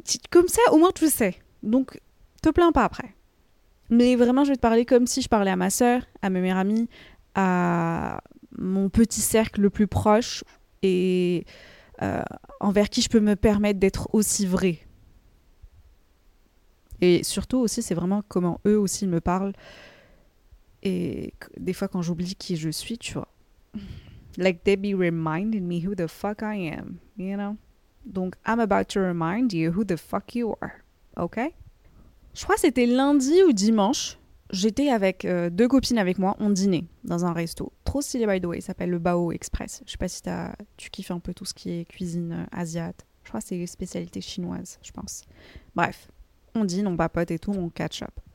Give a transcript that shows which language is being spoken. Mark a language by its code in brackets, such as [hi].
[fr] Comme ça, au moins tu sais. Donc, te plains pas après. Mais vraiment, je vais te parler comme si je parlais à ma sœur, à mes meilleures amies, à mon petit cercle le plus proche et envers qui je peux me permettre d'être aussi vraie. Et surtout aussi, c'est vraiment comment eux aussi me parlent. Et des fois, quand j'oublie qui je suis, tu vois. [en] Like they be reminding me who the fuck I am, you know? Donc, I'm about to remind you who the fuck you are, ok? [fr] Je crois que c'était lundi ou dimanche. J'étais avec deux copines avec moi, on dînait dans un resto. Trop stylé, [en] by the way, [fr] il s'appelle le Bao Express. Je sais pas si tu kiffes un peu tout ce qui est cuisine asiate. Je crois que c'est une spécialité chinoise, je pense. Bref, on dîne, on papote et tout, on catch up.